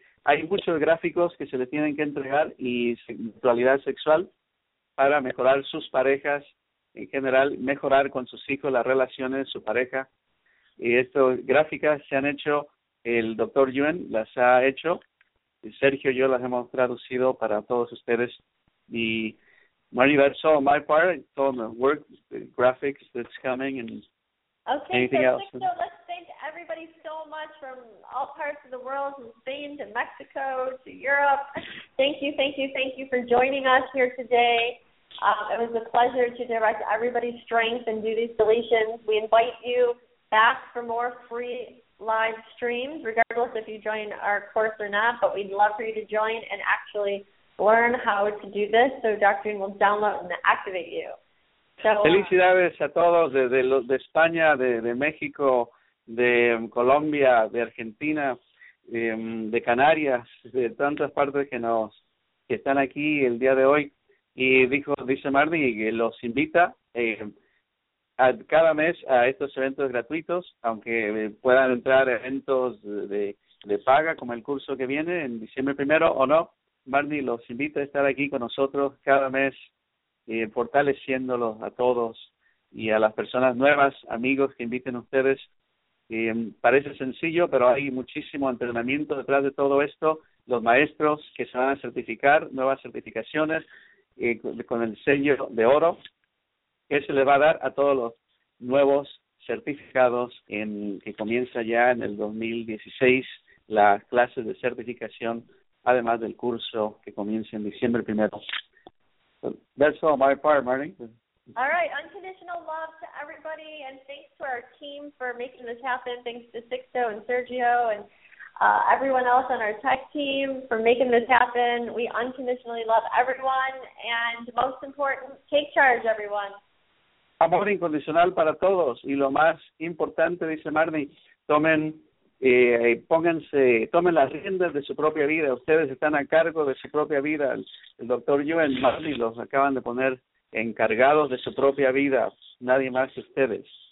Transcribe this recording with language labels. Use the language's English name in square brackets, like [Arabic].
[Spanish] Hay muchos gráficos que se le tienen que entregar y sexualidad sexual para mejorar sus parejas en general, mejorar con sus hijos las relaciones, su pareja. Y estas gráficas se han hecho... El doctor Yuen las ha hecho, Sergio y yo las hemos traducido para todos ustedes. Y [English] Marnie, that's all my part, all the work, the graphics that's coming, and okay, anything so, else. So let's thank everybody so much from all parts of the world, from Spain to Mexico to Europe. Thank you, thank you, thank you for joining us here today. It was a pleasure to direct everybody's strength and do these deletions. We invite you back for more free live streams, regardless if you join our course or not, but we'd love for you to join and actually learn how to do this, so Dr. Yuen will download and activate you. So, [Spanish] felicidades a todos de España, de México, de Colombia, de Argentina, de Canarias, de tantas partes que están aquí el día de hoy. Y dice Marty que los invita cada mes a estos eventos gratuitos, aunque puedan entrar eventos de paga, como el curso que viene en diciembre primero o no. Marnie los invita a estar aquí con nosotros cada mes, fortaleciéndolos a todos y a las personas nuevas, amigos que inviten a ustedes. Parece sencillo, pero hay muchísimo entrenamiento detrás de todo esto. Los maestros que se van a certificar, nuevas certificaciones con el sello de oro, que se le va a dar a todos los nuevos certificados que comienza ya en el 2016 las clases de certificación, además del curso que comienza en diciembre primero. [English] So, that's all my part, Marty. All right, unconditional love to everybody, and thanks to our team for making this happen. Thanks to Sixto and Sergio and everyone else on our tech team for making this happen. We unconditionally love everyone, and most important, take charge, everyone. [Spanish] Amor incondicional para todos, y lo más importante, dice Marnie, tomen las riendas de su propia vida. Ustedes están a cargo de su propia vida. El doctor Yuen, Marnie, los acaban de poner encargados de su propia vida, nadie más que ustedes.